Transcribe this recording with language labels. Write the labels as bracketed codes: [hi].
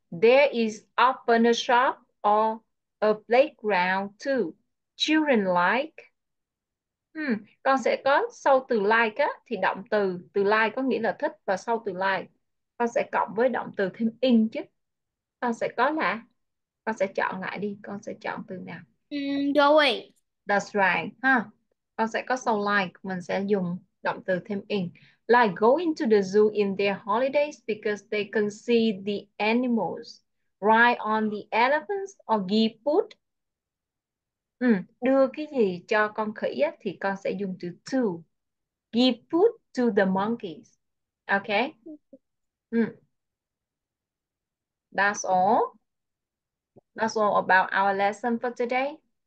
[en] There is often a shop or a playground too. Children like. [vi] Con sẽ có sau từ like á thì động từ, từ like có nghĩa là thích và sau từ like con sẽ cộng với động từ thêm in chứ. Con sẽ có là, con sẽ chọn lại đi, con sẽ chọn từ nào? [en] Going. That's right, huh? [vi] Con sẽ có sau like, mình sẽ dùng động từ thêm in. [en] Like going to the zoo in their holidays because they can see the animals, ride on the elephants or give food. [vi] Đưa cái gì cho con khỉ á, thì con sẽ dùng từ to. [en] Give food to the monkeys. Okay? That's all about our lesson for today.